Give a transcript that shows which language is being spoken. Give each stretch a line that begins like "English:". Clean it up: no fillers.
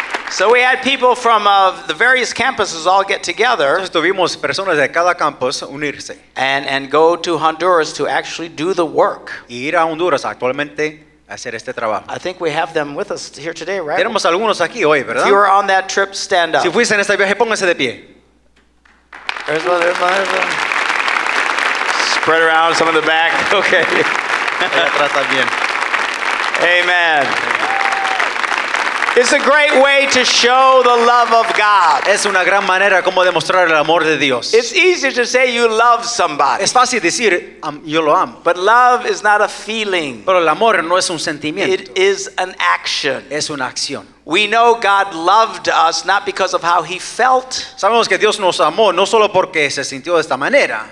English: So we had people from the various campuses all get together.
Spanish: Entonces tuvimos personas de cada campus unirse.
English: And go to Honduras to actually do the work.
Spanish: Y ir a Honduras actualmente a hacer este trabajo.
English: I think we have them with us here today, right?
Spanish: Tenemos algunos aquí hoy, ¿verdad?
English: If you were on that trip, stand up.
Spanish: Si fuiste en este viaje, póngase de pie.
English: There's one. Spread around some of the back. Okay.
Spanish: Atrás también.
English: Amen. It's a great way to show the love of God.
Spanish: Es una gran manera como demostrar el amor de Dios.
English: It's easier to say you love somebody.
Spanish: Es fácil decir yo lo amo.
English: But love is not a feeling.
Spanish: Pero el amor no es un sentimiento.
English: It is an action.
Spanish: Es una acción.
English: We know God loved us not because of how he felt.
Spanish: Sabemos que Dios nos amó no solo porque se sintió de esta manera,